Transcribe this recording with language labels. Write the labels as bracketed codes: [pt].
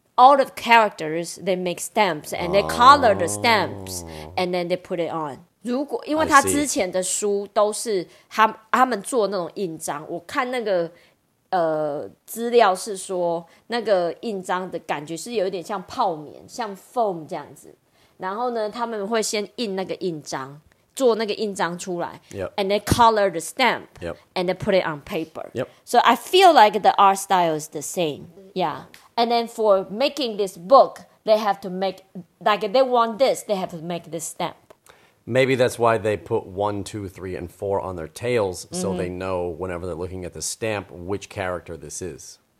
[en] All the characters, they make stamps and they color the stamps and then they put it on. [zh] 如果因为他之前的书都是 他们做那种印章，我看那个资料是说那个印章的感觉是有一点像泡棉，像 foam 这样子。然后呢，他们会先印那个印章，做那个印章出来 [en] yep. and they color the stamp yep. and they put it on paper. Yep. So I feel like the art style is the same. Yeah. And then for making this book, they have to make, like if they want this, they have to make this stamp. Maybe that's why they put 1, 2, 3, and 4 on their tails, mm-hmm. so they know whenever they're looking at the stamp which character this is.